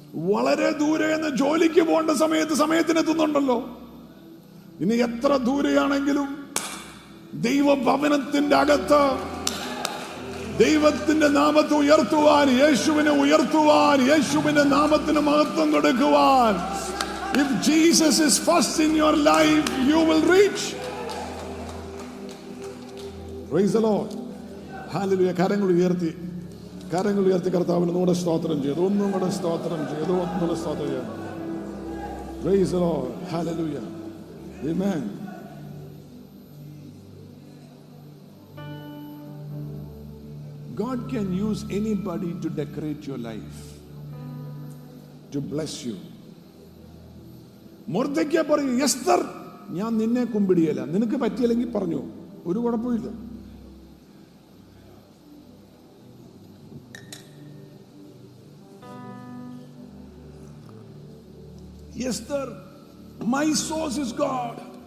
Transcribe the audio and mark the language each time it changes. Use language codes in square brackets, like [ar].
[ml] വളരെ ദൂരെ നിന്ന് ജോലിക്ക് പോകേണ്ട സമയത്ത് സമയത്തിന് എത്തുന്നുണ്ടല്ലോ. ഇനി എത്ര ദൂരെയാണെങ്കിലും ദൈവഭവനത്തിന്റെ അകത്ത് ദൈവത്തിന്റെ നാമത്തെ ഉയർത്തുവാൻ, യേശുവിനെ ഉയർത്തുവാൻ, യേശുവിന്റെ നാമത്തിന് മഹത്വം കൊടുക്കുവാൻ. [en] If Jesus is first in your life, you will reach. Praise the Lord. Hallelujah. [ml] കരങ്ങൾ ഉയർത്തി കർത്താവിനെ നമ്മുടെ സ്തോത്രം ചെയ്തു, ഒന്നും കൂടെ സ്തോത്രം ചെയ്തു, ഒന്നും കൂടെ സ്തോത്രം ചെയ്തു. [en] Praise the Lord. Hallelujah. Amen. God can use anybody to decorate your life, to bless you. Mordekya [ml] paray, [en] Esther [ml] ഞാൻ നിന്നെ കുമ്പിടിയല്ല, നിനക്ക് പറ്റിയില്ലെങ്കിൽ പറഞ്ഞു, ഒരു കുഴപ്പമില്ല. [en] Esther, my source is God.